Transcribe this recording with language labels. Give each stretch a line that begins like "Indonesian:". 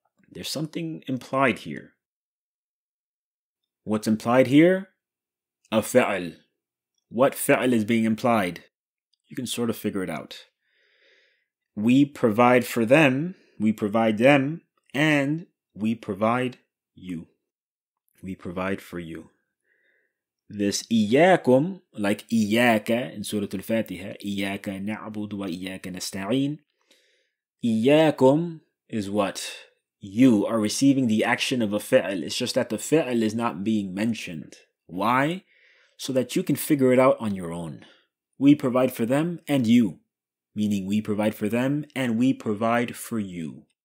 English: There's something implied here. What's implied here? A fi'al. What fi'al is being implied? you can sort of figure it out. We provide for them, we provide them, and we provide you. We provide for you.
Arabic: This إياكم,
English: like
Arabic: إياك in Surah Al-Fatiha, إياك نعبد وإياك نستعين.
English: إياكم is what? You are receiving the action of a fi'l. It's just that the fi'l is not being mentioned. Why? So that you can figure it out on your own. We provide for them and you. Meaning we provide for them and we provide for you.